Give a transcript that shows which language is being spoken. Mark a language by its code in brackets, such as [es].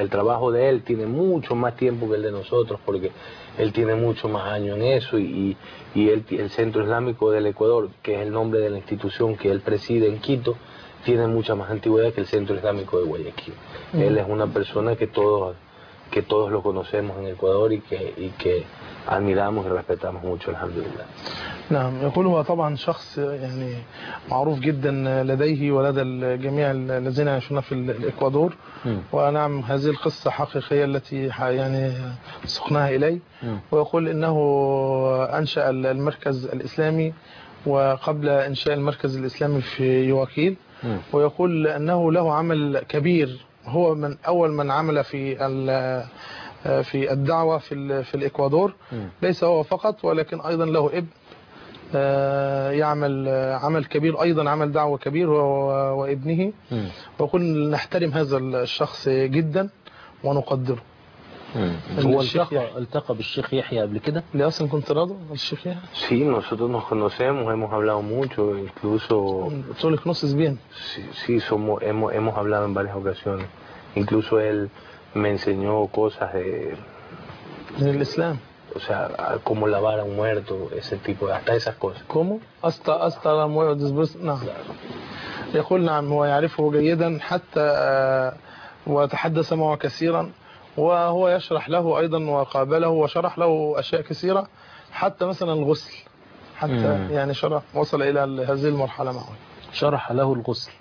[es] El trabajo de él tiene mucho más tiempo que el de nosotros, porque él tiene mucho más años en eso, y el Centro Islámico del Ecuador, que es el nombre de la institución que él preside en Quito, tiene mucha más antigüedad que el Centro Islámico de Guayaquil. Él es una persona que todos lo conocemos en Ecuador y que admiramos y respetamos mucho, alhamdulillah. [ar] نعم يقول هو طبعا شخص يعني معروف جدا لديه ولدى الجميع الذين عايشون في الإكوادور ونعم هذه القصة حقيقية التي يعني سقناها إلي ويقول إنه أنشأ المركز الإسلامي وقبل إنشاء المركز الإسلامي في يواكيل ويقول أنه له عمل كبير هو من أول من عمل في الدعوة في الإكوادور ليس هو فقط ولكن أيضا له ابن يعمل عمل كبير أيضا عمل دعوة كبير وابنه وقلنا نحترم هذا الشخص جدا ونقدره هو التقى بالشيخ يحيى قبل كده اللي أصلا كنت راضي الشيخ يحيى [es] sí nosotros nos conocemos hemos hablado mucho incluso tú le conoces bien sí somos hemos hablado en varias ocasiones incluso él me enseñó cosas de en el Islam. O sea, cómo lavar a un muerto, ese tipo, hasta esas cosas. ¿Cómo? Hasta la muerte después. No. Claro. [ar] يقول نعم هو يعرفه جيدا حتى وتحدث معه كثيرا وهو يشرح له أيضا وقابله وشرح له أشياء كثيرة حتى مثلا الغسل حتى يعني شرح وصل إلى هذه المرحلة معه. شرح له الغسل.